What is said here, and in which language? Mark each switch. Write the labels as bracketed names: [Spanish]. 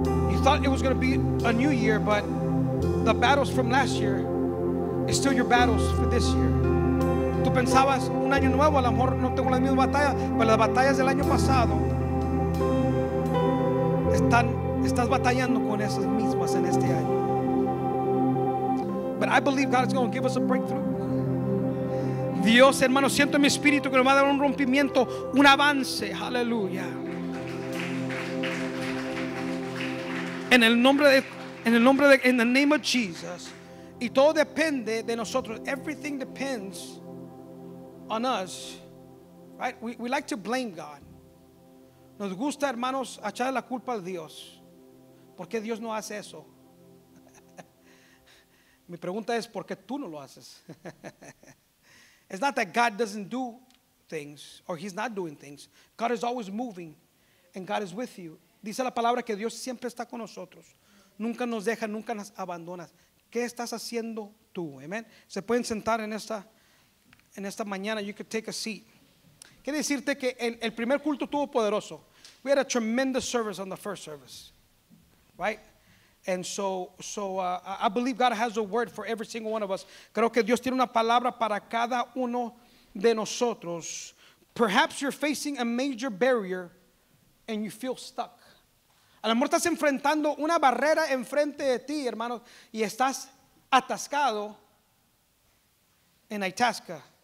[English] You thought it was going to be a new year, but the battles from last year is still your battles for this year. [Spanish] Tú pensabas un año nuevo, a lo mejor no tengo las mismas batallas, pero las batallas del año pasado. Estás batallando con esas mismas en este año. [English] But I believe God is going to give us a breakthrough. [Spanish] Dios, hermano, siento en mi espíritu que nos va a dar un rompimiento, un avance. Hallelujah. [English] In the name of Jesus. [Spanish] Y todo depende de nosotros. [English] Everything depends on us. Right? We like to blame God. [Spanish] Nos gusta, hermanos, echar la culpa a Dios. ¿Por qué Dios no hace eso? Mi pregunta es, ¿por qué tú no lo haces? [English] It's not that God doesn't do things or he's not doing things. God is always moving and God is with you. [Spanish] Dice la palabra que Dios siempre está con nosotros. Nunca nos deja, nunca nos abandona. ¿Qué estás haciendo tú? Amen. Se pueden sentar en esta mañana. [English] You could take a seat. [Spanish] Quiero decirte que el primer culto tuvo poderoso. [English] We had a tremendous service on the first service, right? And so I believe God has a word for every single one of us. [Spanish] Creo que Dios tiene una palabra para cada uno de nosotros. [English] Perhaps you're facing a major barrier and you feel stuck. [Spanish] A lo mejor estás enfrentando una barrera enfrente de ti, hermano, y estás atascado en Itasca.